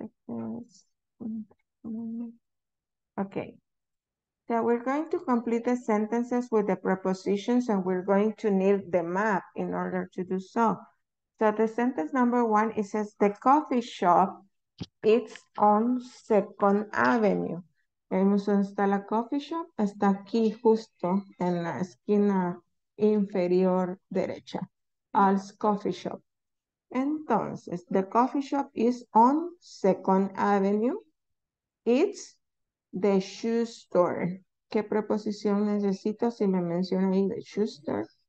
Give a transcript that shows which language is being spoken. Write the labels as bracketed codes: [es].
[en] Okay. So we're going to complete the sentences with the prepositions, and we're going to need the map in order to do so. So the sentence number one, it says the coffee shop, it's on Second Avenue. [es] Vemos dónde está la coffee shop. Está aquí justo en la esquina inferior derecha. [en] Al's Coffee Shop. Entonces, the coffee shop is on Second Avenue. It's the shoe store. [es] ¿Qué preposición necesito si me menciona ahí the shoe store?